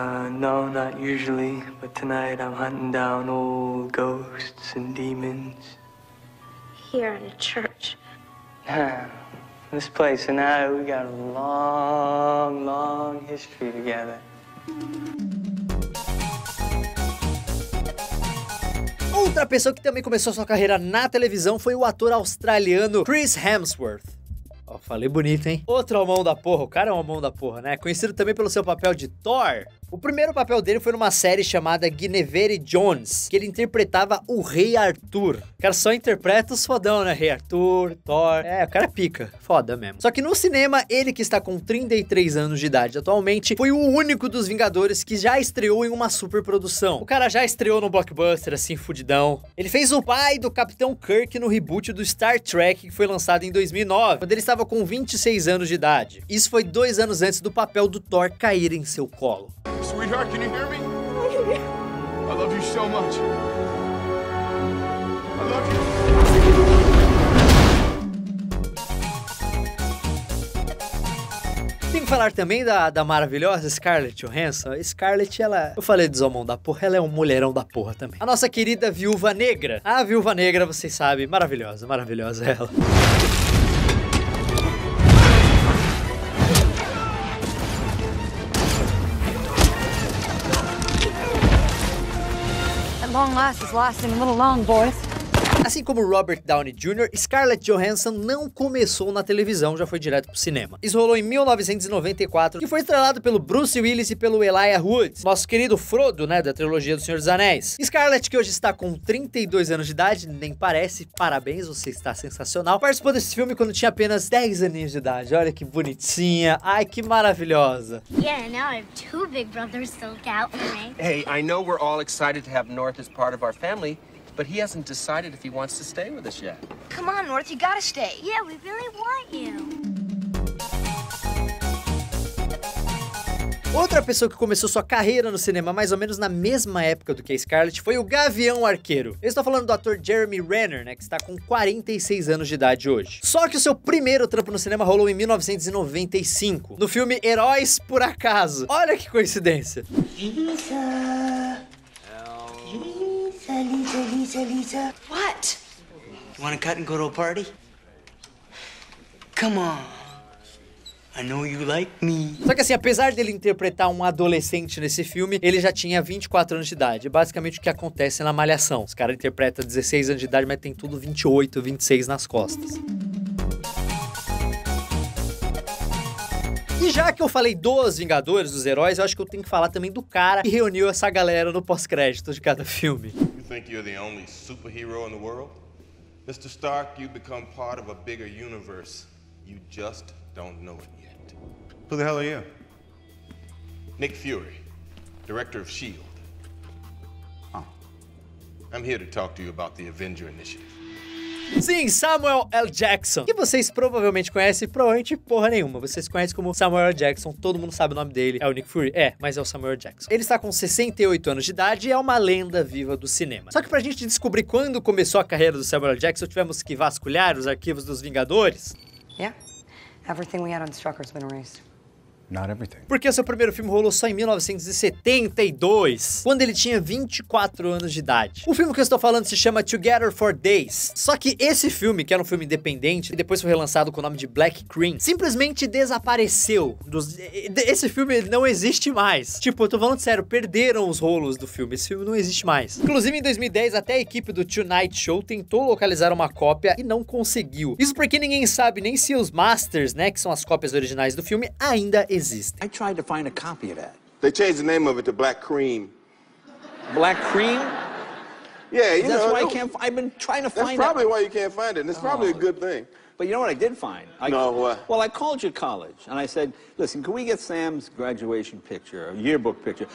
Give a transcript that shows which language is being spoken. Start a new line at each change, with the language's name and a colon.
English: No, not usually, but tonight I'm hunting down old ghosts and demons. Here in a church. This place and I, we got a long, long history together.
Portuguese: Outra pessoa que também começou sua carreira na televisão foi o ator australiano Chris Hemsworth. Ó, falei bonito, hein? Outro homão da porra, o cara é um homão da porra, né? Conhecido também pelo seu papel de Thor O primeiro papel dele foi numa série chamada Guinevere Jones, que ele interpretava o Rei Arthur. O cara só interpreta os fodão, né? Rei Arthur, Thor... É, o cara pica. Foda mesmo. Só que no cinema, ele que está com 33 anos de idade atualmente, foi o único dos Vingadores que já estreou em uma superprodução. O cara já estreou no blockbuster, assim, fudidão. Ele fez o pai do Capitão Kirk no reboot do Star Trek, que foi lançado em 2009, quando ele estava com 26 anos de idade. Isso foi 2 anos antes do papel do Thor cair em seu colo.
English: Sweetheart, can you hear me? I love you so much. I love you.
Portuguese: Tem que falar também da maravilhosa Scarlett Johansson. Scarlett, ela... Eu falei de Zomão da porra, ela é um mulherão da porra também. A nossa querida Viúva Negra. A Viúva Negra, vocês sabem, maravilhosa, maravilhosa ela.
English: Long last is lasting a little long, boys.
Portuguese: Assim como Robert Downey Jr., Scarlett Johansson não começou na televisão, já foi direto pro cinema. Isso rolou em 1994, que foi estrelado pelo Bruce Willis e pelo Elijah Wood, nosso querido Frodo, né, da trilogia do Senhor dos Anéis. Scarlett, que hoje está com 32 anos de idade, nem parece, parabéns, você está sensacional, participou desse filme quando tinha apenas 10 aninhos de idade. Olha que bonitinha, ai que maravilhosa.
English: Yeah, now I have two big brothers still out, right? Hey, I know we're all excited to have North as part of our family, but he hasn't decided if he wants to stay with us yet. Come on, North, you gotta stay. Yeah, we really want you.
Portuguese: Outra pessoa que começou sua carreira no cinema mais ou menos na mesma época do que a Scarlett foi o Gavião Arqueiro. Eu estou falando do ator Jeremy Renner, né, que está com 46 anos de idade hoje. Só que o seu primeiro trampo no cinema rolou em 1995, no filme Heróis por Acaso. Olha que coincidência. Lisa. Lisa, Lisa.
English: What? You wanna cut and go to a party? Come on. I know you like me.
Portuguese: Só que assim, apesar dele interpretar um adolescente nesse filme, ele já tinha 24 anos de idade. Basicamente o que acontece na Malhação. Os caras interpretam 16 anos de idade, mas tem tudo 28, 26 nas costas. E já que eu falei dos Vingadores, dos heróis, eu acho que eu tenho que falar também do cara que reuniu essa galera no pós-crédito de cada filme.
English: Think you're the only superhero in the world? Mr. Stark, you become part of a bigger universe. You just don't know it yet. Who the hell are you? Nick Fury, director of S.H.I.E.L.D. Huh. I'm here to talk to you about the Avenger Initiative.
Portuguese: Sim, Samuel L. Jackson, que vocês provavelmente conhecem, provavelmente porra nenhuma. Vocês conhecem como Samuel L. Jackson, todo mundo sabe o nome dele, é o Nick Fury, é, mas é o Samuel L. Jackson. Ele está com 68 anos de idade e é uma lenda viva do cinema. Só que pra gente descobrir quando começou a carreira do Samuel L. Jackson, tivemos que vasculhar os arquivos dos Vingadores. Yeah.
English: Everything we had on Strucker's been erased. Not everything.
Portuguese: Porque o seu primeiro filme rolou só em 1972, quando ele tinha 24 anos de idade. O filme que eu estou falando se chama Together for Days. Só que esse filme, que era um filme independente, e depois foi relançado com o nome de Black Cream, simplesmente desapareceu. Esse filme não existe mais. Tipo, eu tô falando sério, perderam os rolos do filme. Esse filme não existe mais. Inclusive, em 2010, até a equipe do Tonight Show tentou localizar uma cópia e não conseguiu. Isso porque ninguém sabe nem se os Masters, né, que são as cópias originais do filme, ainda existe.
English: I tried to find a copy of that. They changed the name of it to Black Cream. Black Cream? Yeah, you that's know. That's why I can't. I've been trying to find it. That's probably why you can't find it. And it's probably a good thing. But you know what I did find? No, what? Well, I called your college and I said, listen, can we get Sam's graduation picture, a yearbook picture?